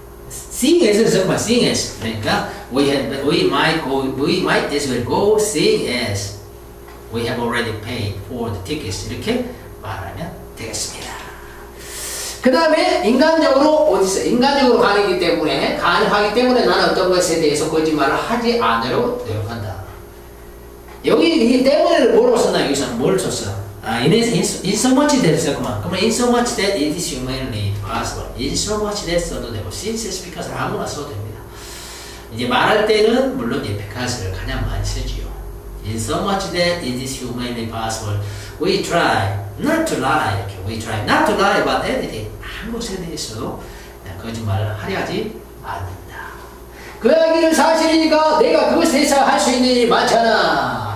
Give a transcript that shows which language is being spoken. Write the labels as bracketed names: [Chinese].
[English] Seeing as [Korean] 정말 [English] seeing as [Korean] 그러니까 [English] we might as well go seeing as we have already paid for the tickets [Korean] 이렇게 말하면 되겠습니다. 그 다음에 인간적으로 어디서 인간적으로 가능하기 때문에 가능하기 때문에 나는 어떤 것에 대해서 거짓말을 하지 않으려고 노력한다. 여기 이 때문에를 뭐로 썼나? 여기서는 뭘 썼어? [English] In so much that 썼구만. [Korean] 그러면 [English] in so much that it is humanly possible. In so much that [Korean] 써도 되고 [English] since it's because [Korean] 아무나 써도 됩니다. 이제 말할 때는 물론 이제 because를 가장 많이 쓰지요. [English] In so much that it is humanly possible. We try not to lie. [Korean] 이렇게. [English] We try not to lie about anything. [Korean] 아무 것에 대해서도 거짓말을 하려하지 않는다. 그 이야기는 사실이니까 내가 그것에 대해서 할 수 있는 일이 많잖아.